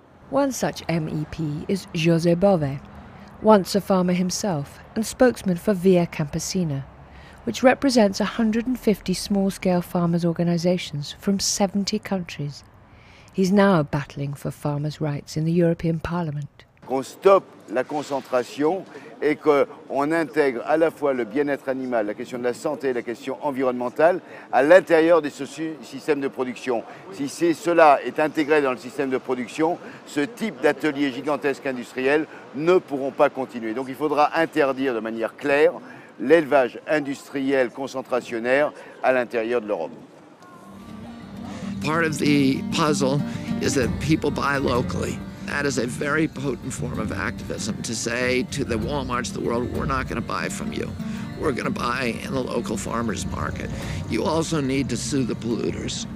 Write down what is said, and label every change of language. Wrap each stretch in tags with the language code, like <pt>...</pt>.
<en>One such MEP is José Bové, once a farmer himself and spokesman for Via Campesina, which represents 150 small-scale farmers' organizations from 70 countries. He's now battling for farmers' rights in the European Parliament.</en> <fr>Qu'on stoppe la concentration et qu'on intègre à la fois le bien-être animal, la question de la santé et la question environnementale à l'intérieur des systèmes de production. Si cela est intégré dans le système de production, ce type d'ateliers gigantesques industriels ne pourront pas continuer. Donc il faudra interdire de manière claire l'élevage industriel concentrationnaire à l'intérieur de l'Europe.</fr> <en>Part of the puzzle is that people buy locally. That is a very potent form of activism, to say to the Walmarts of the world, we're not going to buy from you. We're going to buy in the local farmer's market. You also need to sue the polluters.</en>